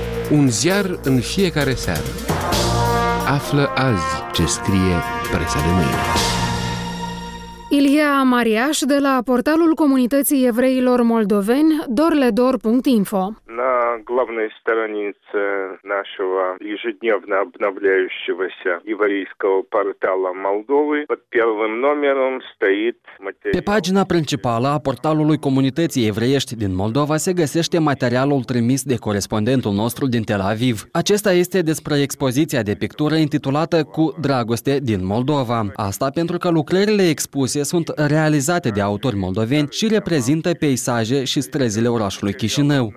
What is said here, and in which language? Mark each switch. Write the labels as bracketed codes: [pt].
[ro] Un ziar în fiecare seară. Află azi ce scrie presa de mâine. Ilia Mariaș, de la portalul comunității evreilor moldoveni, dorledor.info. [ru] На главной странице нашего ежедневно обновляющегося еврейского портала Молдовы под первым номером стоит материал. [ro] Pe pagina principală a portalului comunității evreiești din Moldova se găsește materialul trimis de corespondentul nostru din Tel Aviv. Acesta este despre expoziția de pictură intitulată Cu dragoste din Moldova. Asta pentru că lucrările expuse sunt realizate de autori moldoveni și reprezintă peisaje și străzile orașului Chișinău.